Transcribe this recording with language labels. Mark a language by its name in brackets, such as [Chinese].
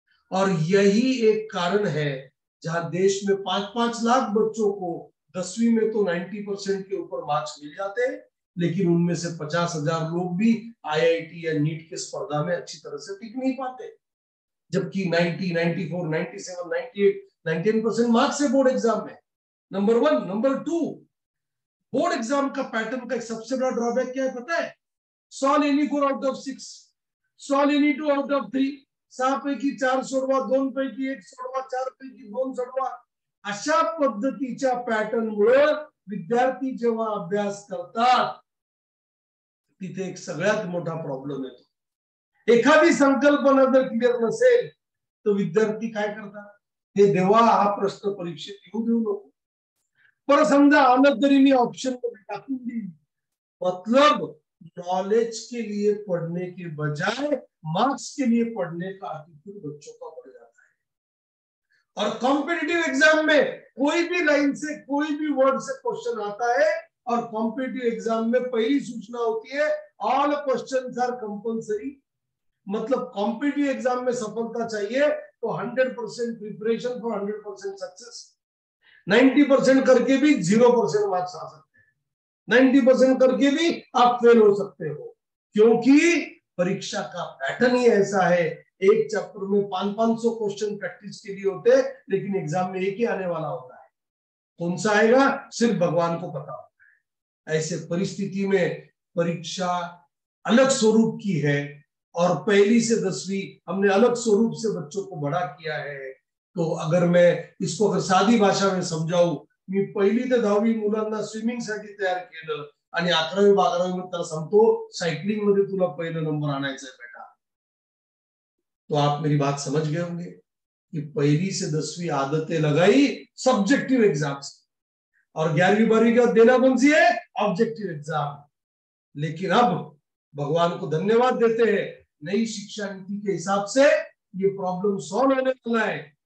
[Hindi] और यही एक कारण है जहां देश में 5-5 लाख बच्चों को दसवीं में तो 90% के ऊपर मार्क्स मिल जाते हैं, लेकिन उनमें से 50,000 लोग भी IIT या नीट के स्पर्धा में अच्छी तरह से टिक नहीं पाते, जबकि 90, 94, 97, 98, 99% मार्क्स से बोर्ड एग्जाम में. Number one. Number two, board exam का पैटर्न का एक सबसे बड़ा ड्रॉबैक क्या है पता है? [English] solve any 4 out of 6, solve any 2 out of 3, [Marathi] 7 पैकी 4 सोडवा, 2 पैकी 1 सोडवा, 4 पैकी 2 सोडवा. अशा पद्धतीच्या पॅटर्न मुळे विद्यार्थी जेव्हा अभ्यास करतात तिथे एक सगळ्यात मोठा प्रॉब्लेम येतो. एखादी संकल्पना जर क्लिअर नसेल तर विद्यार्थी काय करतात, हे देवा हा प्रश्न परीक्षेत येऊ देऊ नको. पर समजा आणत जरी मी ऑप्शन मध्ये टाकून दिली, [Hindi] मतलब नॉलेज के लिए पढ़ने के बजाय मार्क्स के लिए पढ़ने का एटीट्यूड बच्चों का बढ़ जाता है. और कॉम्पिटिटिव एग्जाम में कोई भी लाइन से कोई भी वर्ड से क्वेश्चन आता है और कॉम्पिटिटिव एग्जाम में पहली सूचना होती है ऑल क्वेश्चंस आर कंपलसरी. मतलब कॉम्पिटिटिव एग्जाम में सफलता चाहिए तो 100% प्रिपरेशन फॉर 100% सक्सेस. 90% करके भी 0% मार्क्स आ सकते, 90% करके भी आप फेल हो सकते हो, क्योंकि परीक्षा का पैटर्न ही ऐसा है. एक चैप्टर में 500-500 क्वेश्चन प्रैक्टिस के लिए होते हैं, लेकिन एग्जाम में एक ही आने वाला होता है. कौन सा आएगा सिर्फ भगवान को पता होता है. ऐसे परिस्थिति में परीक्षा अलग स्वरूप की है और पहली से दसवीं हमने अलग स्वरूप से बच्चों को बड़ा किया है. तो अगर मैं इसको अगर साधी भाषा में समझाऊं, [Marathi] मी पहिली ते 10वी मुलांना स्विमिंग साठी तयार केलं आणि 11वी 12वी मी तर सांगतो सायकलिंग मध्ये तुला पहिला नंबर आणायचा बेटा. [Hindi] तो आप मेरी बात समझ गए होंगे कि पहिली से 10वी आदतें लगाई सब्जेक्टिव एग्जाम्स और 11वी 12वी का देना कौन सी है ऑब्जेक्टिव एग्जाम. लेकिन अब भगवान को धन्यवाद देते हैं, नई शिक्षा नीति के हिसाब से ये प्रॉब्लम सॉल्व होने वाला है.